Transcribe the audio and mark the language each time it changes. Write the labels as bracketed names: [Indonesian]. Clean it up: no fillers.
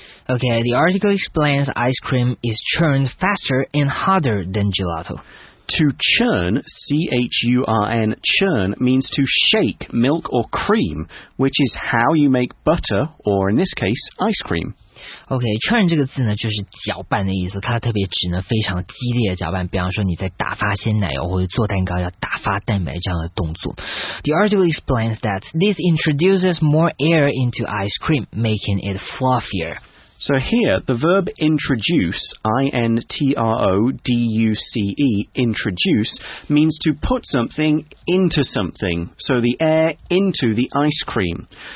[English] Okay, the article explains ice cream is churned faster and harder than gelato. To churn, C-H-U-R-N, churn, means to shake milk or cream, which is how you make butter, or in this case, ice cream. [Chinese] OK, churn 这个字呢就是搅拌的意思，它特别指呢非常激烈的搅拌，比方说你在打发鲜奶油或者做蛋糕要打发蛋白这样的动作。 [English] The article explains that this introduces more air into ice cream, making it fluffier. So here, the verb introduce, introduce, introduce, means to put something into something, so the air into the ice cream.